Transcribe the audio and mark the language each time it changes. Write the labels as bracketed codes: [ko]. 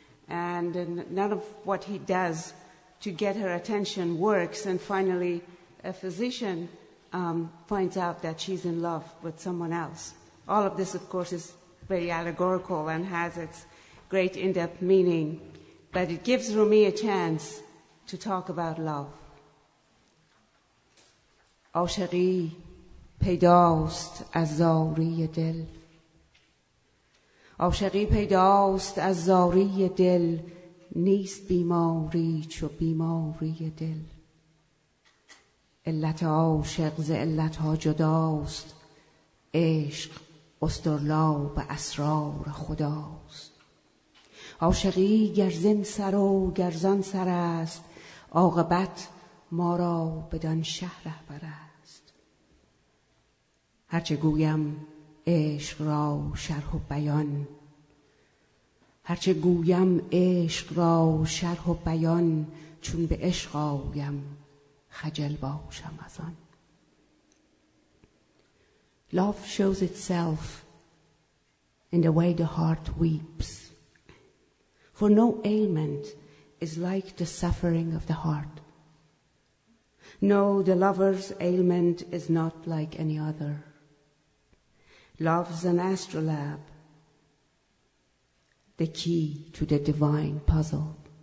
[en] And none of what he does to get her attention works, and finally a physician finds out that she's in love with someone else. All of this, of course, is very allegorical and has its great in-depth meaning, but it gives Rumi a chance to talk about love. [fa] عاشقی پیداست از زاری دل عاشقی پیداست از زاری دل نیست بیماری چو بیماری دل علت عاشق ز علت ها جداست عشق استرلاب اسرار خداست عاشقی گرزن سر و گرزان سر است عاقبت ما را بدان شهر رهبر است هرچه گویم عشق را شرح و بیان هرچه گویم عشق را شرح و بیان چون به عشق آیم خجل باشم از آن Love shows itself in the way the heart weeps. [en] For no ailment is like the suffering of the heart. No, the lover's ailment is not like any other. Love's an astrolabe, the key to the divine puzzle.